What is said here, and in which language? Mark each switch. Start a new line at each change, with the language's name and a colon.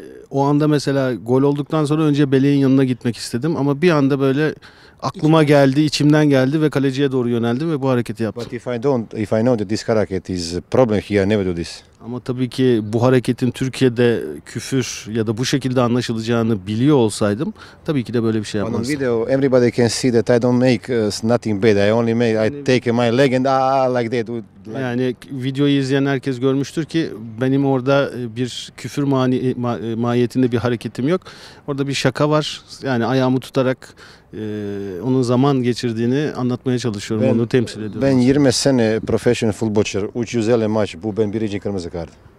Turkish: O anda mesela gol olduktan sonra önce Belek'in yanına gitmek istedim. Ama bir anda böyle aklıma geldi, içimden geldi ve kaleciye doğru yöneldim ve bu hareketi yaptım.
English: But if I know that this hareket is problem here, I never do this.
Turkish: Ama tabii ki bu hareketin Türkiye'de küfür ya da bu şekilde anlaşılacağını biliyor olsaydım tabii ki de böyle bir şey yapmazdım.
English: On video everybody can see that I don't make nothing bad. I only make yani, I take my leg and like that. Like.
Turkish: Yani videoyu izleyen herkes görmüştür ki benim orada bir küfür mahiyetinde bir hareketim yok. Orada bir şaka var. Yani ayağımı tutarak onun zaman geçirdiğini anlatmaya çalışıyorum. Ben, onu temsil ediyorum. Ben 20 sene profesyonel futbolcu, 350 maç, bu ben birinci kırmızı kart.